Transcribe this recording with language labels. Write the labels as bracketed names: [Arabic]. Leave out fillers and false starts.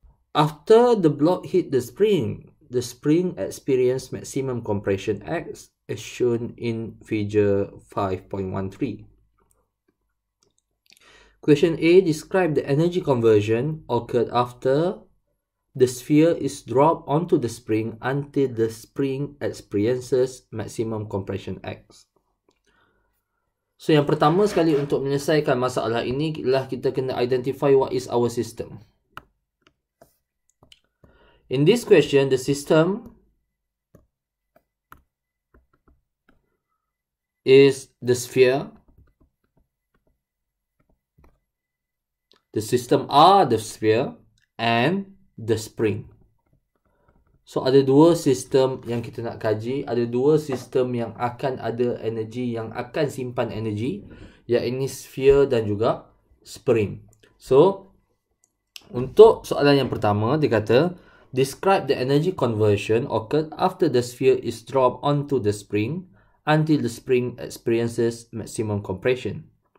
[English] After the block hit the spring experienced maximum compression x as shown in figure 5.13. Question A, describe the energy conversion occurred after the sphere is dropped onto the spring until the spring experiences maximum compression x. [Malay] So yang pertama sekali untuk menyelesaikan masalah ini ialah kita kena [English] identify what is our system. In this question, the system is the sphere. The system are the sphere and the spring. [Malay] So, ada dua sistem yang kita nak kaji. Ada dua sistem yang akan ada energi, yang akan simpan energi. Iaitu sphere dan juga spring. So, untuk soalan yang pertama, dia kata, [English] describe the energy conversion occurred after the sphere is dropped onto the spring until the spring experiences maximum compression.